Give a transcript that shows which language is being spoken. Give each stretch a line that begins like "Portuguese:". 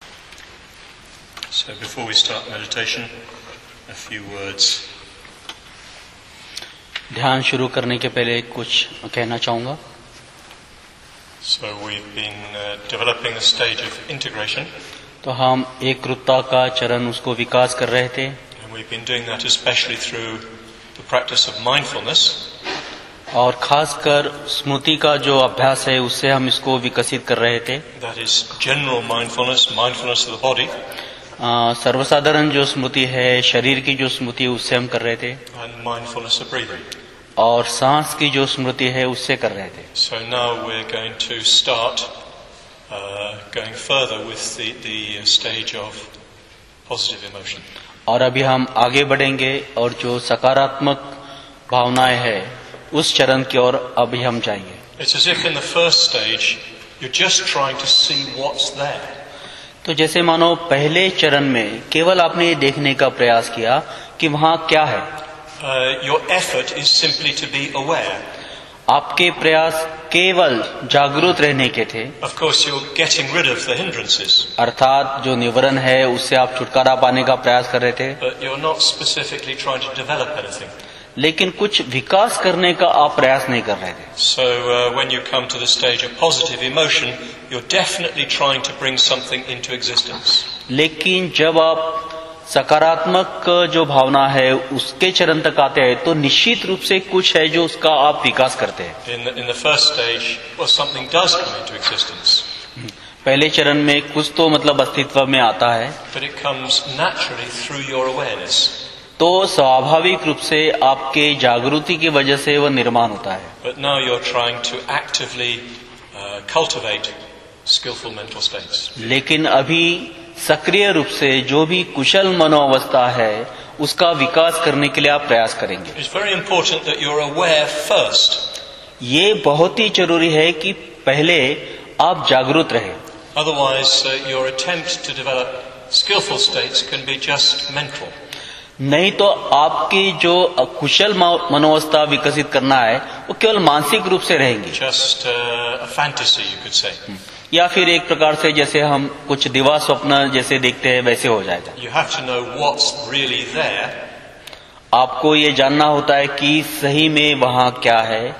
English: So before we start meditation, a few words.
Hindi: ध्यान शुरू करने के पहले कुछ कहना चाहूंगा.
English: So we've been developing a stage of integration.
Hindi: तो हम एकरूपता का चरण उसको विकास कर रहे थे.
English: And we've been doing that especially through the practice of mindfulness.
Hindi: और खासकर स्मृति का जो अभ्यास है उससे हम इसको विकसित कर रहे थे.
English: That is general mindfulness, mindfulness of the body.
Hindi: सर्वसाधारण जो स्मृति है, शरीर की जो स्मृति है उससे हम कर रहे थे.
English: And mindfulness of breathing.
Hindi: और सांस की जो स्मृति है उससे कर रहे थे.
English: So now we're going to start going further with the stage of positive emotion.
Hindi: और अभी हम आगे बढ़ेंगे और जो सकारात्मक भावनाएं है उस चरण की ओर अभी हम जाएंगे.
English: It's as if in the first stage you're just trying to see what's there.
Hindi: तो जैसे मानो पहले चरण में केवल आपने ये देखने का प्रयास किया कि वहां क्या है.
English: Your effort is simply to be aware.
Hindi: आपके प्रयास केवल जागरूक रहने के थे.
English: Of course, you're getting rid of the hindrances.
Hindi: अर्थात जो निवरण है उससे आप छुटकारा पाने का प्रयास कर रहे थे.
English: But you're not specifically trying to develop anything.
Hindi: लेकिन कुछ विकास करने का आप प्रयास नहीं कर रहे थे.
English: So when you come to the stage of positive emotion, you're definitely trying to bring something into existence.
Hindi: लेकिन जब आप सकारात्मक जो भावना है उसके चरण तक आते हैं तो निश्चित रूप से कुछ है जो उसका आप विकास करते हैं.
English: In the first stage, well, something does come into existence.
Hindi: पहले चरण में कुछ तो मतलब अस्तित्व में आता है.
English: But it comes naturally through your awareness.
Hindi: तो स्वाभाविक रूप से आपके जागृति की वजह से वह निर्माण होता है.
English: But now you're trying to actively cultivate skillful mental states.
Hindi: लेकिन अभी सक्रिय रूप से जो भी कुशल मनोवस्था है उसका विकास करने के लिए आप प्रयास करेंगे.
English: It's very important that you're aware first.
Hindi: ये बहुत ही जरूरी है कि पहले आप जागृत रहें.
English: Otherwise, your attempt to develop skillful states can be just mental.
Hindi: नहीं तो आपकी जो कुशल मनोवस्था विकसित करना है वो केवल मानसिक रूप से रहेंगी.
English: Just a fantasy, you could say.
Hindi: या फिर एक प्रकार से जैसे हम कुछ दिवा स्वप्न जैसे देखते हैं वैसे हो जाएगा.
English: You have to know what's really there.
Hindi: आपको ये जानना होता है कि सही में वहाँ क्या है.